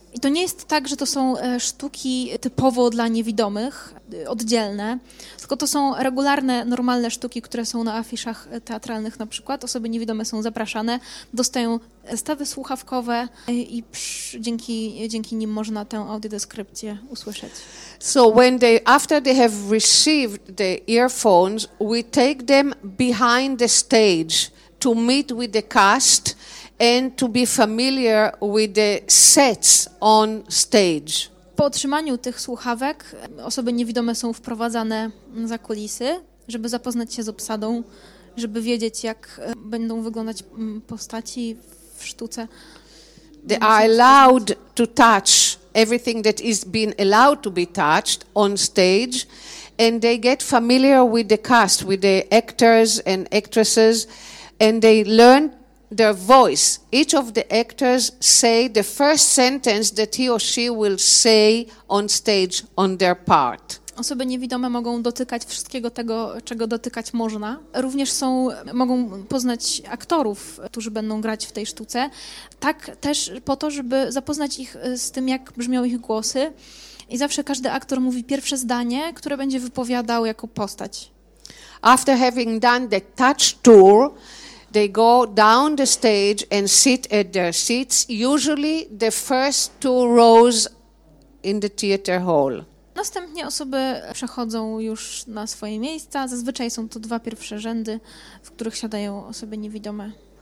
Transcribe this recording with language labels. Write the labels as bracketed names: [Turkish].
[Polish] I to nie jest tak, że to są sztuki typowo dla niewidomych, oddzielne, tylko to są regularne, normalne sztuki, które są na afiszach teatralnych na przykład. Osoby niewidome są zapraszane, dostają zestawy słuchawkowe i dzięki nim można tę audiodeskrypcję usłyszeć. [English] So when after they have received the earphones, we take them behind the stage to meet with the cast and to be familiar with the sets on stage. [Polish] Po otrzymaniu tych słuchawek osoby niewidome są wprowadzane za kulisy, żeby zapoznać się z obsadą, żeby wiedzieć, jak będą wyglądać postaci w sztuce. [English] They are allowed to touch everything that is being allowed to be touched on stage, and they get familiar with the cast, with the actors and actresses, and they learn their voice. Each of the actors say the first sentence that he or she will say on stage on their part. [Polish] Osoby niewidome mogą dotykać wszystkiego tego, czego dotykać można. Również są, mogą poznać aktorów, którzy będą grać w tej sztuce. Tak też po to, żeby zapoznać ich z tym, jak brzmią ich głosy. I zawsze każdy aktor mówi pierwsze zdanie, które będzie wypowiadał jako postać. [English] After having done the touch tour, they go down the stage and sit at their seats, usually the first two rows in the theater hall. [Polish] Następnie osoby przechodzą już na swoje miejsca. Zazwyczaj są to dwa pierwsze rzędy, w których siadają osoby niewidome.